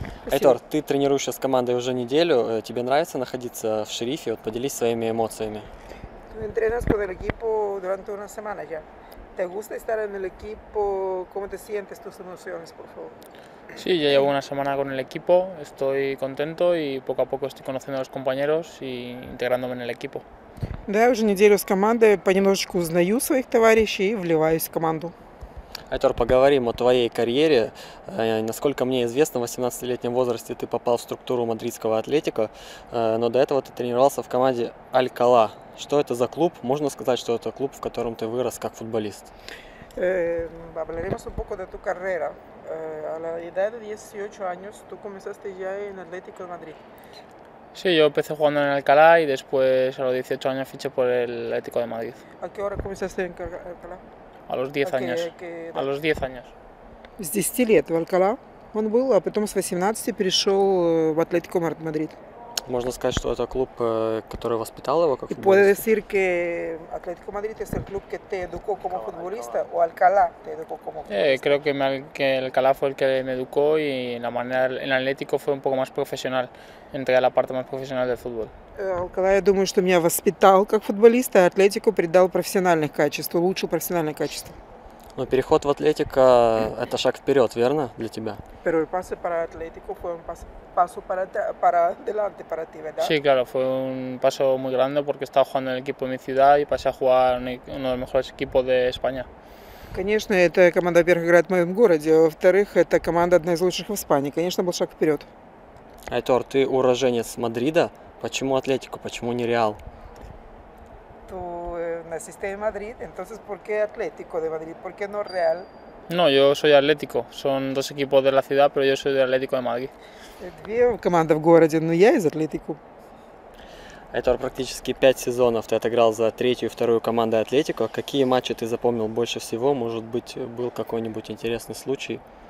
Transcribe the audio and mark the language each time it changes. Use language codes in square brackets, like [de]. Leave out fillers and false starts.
[ru] Айтор, ты тренируешься с командой уже неделю. Тебе нравится находиться в Шерифе? Вот поделись своими эмоциями. [es] Tú entrenas con el equipo durante una semana ya. ¿Te gusta estar en el equipo? ¿Cómo te sientes? Tus emociones, por favor. Sí, ya llevo una semana con el equipo. Estoy contento y poco a poco estoy conociendo a los compañeros y integrándome en el equipo. [ru] Да, я уже неделю с командой, понемножечку узнаю своих товарищей и вливаюсь в команду. Айтор, поговорим о твоей карьере. Насколько мне известно, в 18-летнем возрасте ты попал в структуру мадридского Атлетико, но до этого ты тренировался в команде Алькала. Что это за клуб? Можно сказать, что это клуб, в котором ты вырос как футболист? Поговорим [es] un poco de tu carrera. A la edad de 18 años, tú comenzaste ya en Atlético de Madrid. Sí, yo empecé jugando en Alcalá y después a los 18 años fiché por el Atlético de Madrid. ¿A qué hora comenzaste en Alcalá? A los 10 años. ¿A qué? A los 10 años. [ru] С 10 лет в Алькала он был, а потом с 18 перешел в Атлетико Мадрид. Можно сказать, что это клуб, который воспитал его как футболиста? [es] ¿Puedes decir que Atlético Madrid es el club que te educó como futbolista o Alcalá te educó como futbolista? Creo que Alcalá fue el que me educó y la manera en Atlético fue un poco más profesional, entré a la parte más profesional del fútbol. [ru] Alcalá, я думаю, что меня воспитал как футболиста, а Атлетико придал профессиональных качеств, улучшил профессиональные качества. Но переход в Атлетико это шаг вперед, верно, для тебя? Первый пас [es] para Atlético fue un paso para adelante para ti, ¿verdad? Sí, claro, fue un paso muy grande porque estaba jugando en el equipo de mi ciudad y pasé a jugar en uno de los mejores equipos de España. [ru] Конечно, эта команда, во-первых, играет в моем городе, во-вторых, это команда одна из лучших в Испании. Конечно, был шаг вперед. Айтор, ты уроженец Мадрида. Почему Атлетико? Почему не Реал? [es] Naciste en Madrid, entonces ¿por qué Atlético de Madrid? ¿Por qué no Real? No, yo soy Atlético. Son dos equipos de la ciudad, pero yo soy de Atlético de Madrid. [ru] Две команды в городе, но я из Атлетико. Это практически 5 сезонов ты отыграл за третью и вторую команду Атлетико. Какие матчи ты запомнил больше всего? Может быть, был какой-нибудь интересный случай?